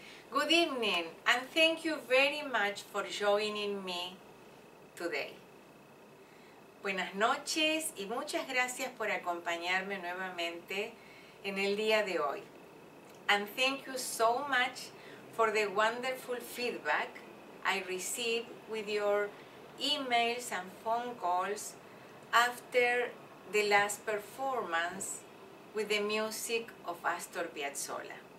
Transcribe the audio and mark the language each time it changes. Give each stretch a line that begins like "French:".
English: Good evening, and thank you very much for joining me today.
Spanish: Buenas noches y muchas gracias por acompañarme nuevamente en el día de hoy.
English: And thank you so much for the wonderful feedback I received with your emails and phone calls after the last performance with the music of Astor Piazzolla.